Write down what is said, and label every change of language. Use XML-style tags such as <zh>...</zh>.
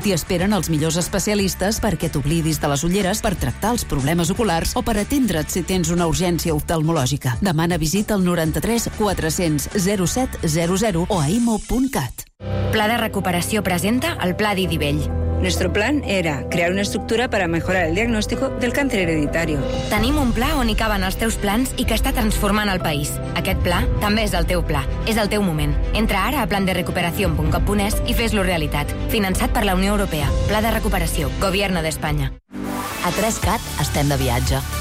<ca>T'hi esperen els millors especialistes perquè t'oblidis de les ulleres per tractar els problemes oculars o per atendre't si tens una urgència oftalmològica. Demana visita al 93 400 0700 o a imo.cat. Pla de recuperació presenta el Pla d'Idivell.</ca> <es>Nuestro plan era crear una estructura para mejorar el diagnóstico del cáncer hereditario.</es> <ca>Tenim un pla on hi caben els teus plans i que està transformant el país. Aquest pla també és el teu pla. És el teu moment. Entra ara a plandereecuperación.cat i fes-lo realitat. Finançat per la Unió Europea. Pla de recuperació. Gobierno de España. A 3CAT estem de viatge.</ca>